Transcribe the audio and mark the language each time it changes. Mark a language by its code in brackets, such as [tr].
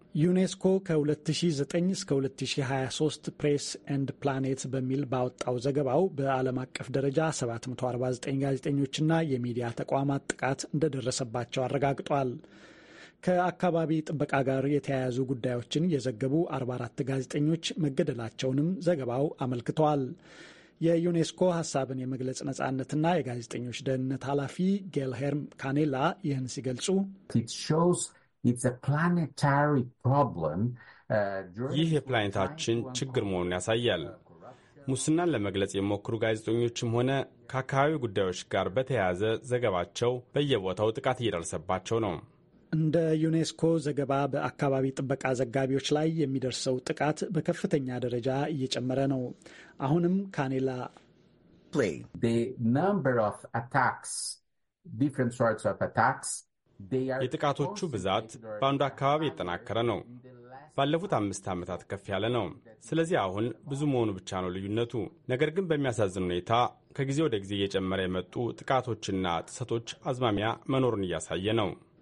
[am] ዩኔስኮ ከ2009 እስከ 2023 ፕሬስ ኤንድ ፕላኔት በሚል ባወጣው ዘገባው በዓለም አቀፍ ደረጃ 749 ጋዜጠኞችና የሚዲያ ተቋማት ጥቃት እንደደረሰባቸው አረጋግጧል። ከአካባቢ ጥበቃ ጋር የተያያዙ ጉዳዮችን የዘገቡ 44 ጋዜጠኞች መገደላቸውንም ዘገባው አመልክቷል። የዩኔስኮ ሐሳብን የመግለጽ ነጻነትና የጋዜጠኞች ደህንነት ኃላፊ ጌልሄርም ካኔላ ይህን ሲገልጹ [en] It's a planetary problem. [am] ይህ የፕላኔታችን ችግር መሆኑን ያሳያል። ሙስናን ለመግለጽ የሞከሩ ጋዜጠኞችም ሆነ ከአካባቢ ጉዳዮች ጋር በተያያዘ ዘገባቸው በየቦታው ጥቃት እየደረሰባቸው ነው። እንደ ዩኔስኮ ዘገባ በአካባቢ ጥበቃ ዘጋቢዎች ላይ የሚደርሰው ጥቃት በከፍተኛ ደረጃ እየጨመረ ነው። አሁንም ካኔላ [en] The number of attacks, different sorts of attacks, [am] የጥቃቶቹ ብዛት በአንዱ አካባቢ የተጠናከረ ነው። ባለፉት 5 ዓመታት ከፍ ያለ ነው። ስለዚህ አሁን ብዙ መሆኑ ብቻ ነው ልዩነቱ። ነገር ግን በሚያሳዝን ሁኔታ ከጊዜ ወደ ጊዜ እየጨመረ የመጡ ጥቃቶችና ጥሰቶች አዝማሚያ መኖሩን እያሳየ ነው።